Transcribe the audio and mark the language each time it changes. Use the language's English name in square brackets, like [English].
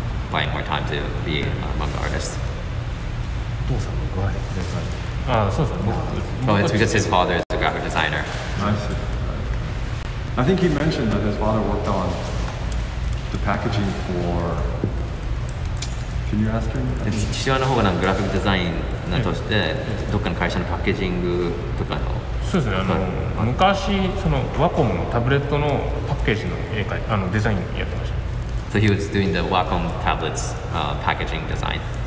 [English] buying more time to be among artists. Well, it's because his father is a graphic designer. I see. I think he mentioned that his father worked on the packaging for... Can you ask him? [Japanese] 父親の方がグラフィックデザインなとして、どっかの会社のパッケージングとかの。そうですね。昔、ワコムのタブレットのパッケージの絵描いて、デザインやってました。 [English] So he was doing the Wacom tablets packaging design.